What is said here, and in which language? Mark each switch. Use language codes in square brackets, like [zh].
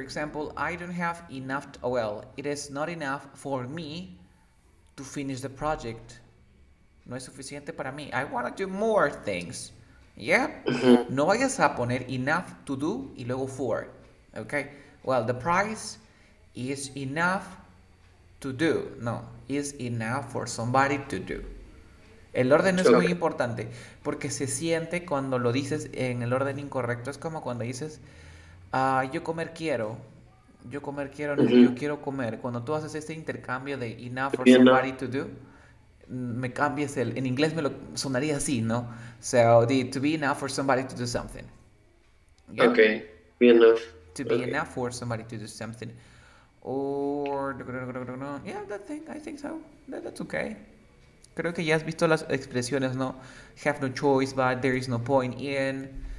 [en] For example, I don't have enough, it is not enough for me to finish the project. [es] No es suficiente para mí. [en] I want to do more things. Yeah, [es] no vayas a poner [en] enough to do [es] y luego for. [en] Okay, well, the price is enough to do. No, is enough for somebody to do. [es] El orden es muy importante porque se siente cuando lo dices en el orden incorrecto. Es como cuando dices, yo comer quiero, yo comer quiero, no, yo quiero comer. Cuando tú haces este intercambio de [en] enough for somebody to do, [es] me cambias el. En inglés me lo sonaría así, ¿no? [en] So, to be enough for somebody to do something. [es] ¿Ya? [en] Okay, be enough. To be enough for somebody to do something. Or. Yeah, that thing, I think so. That's okay. [es] Creo que ya has visto las expresiones, ¿no? [en] Have no choice, but there is no point in.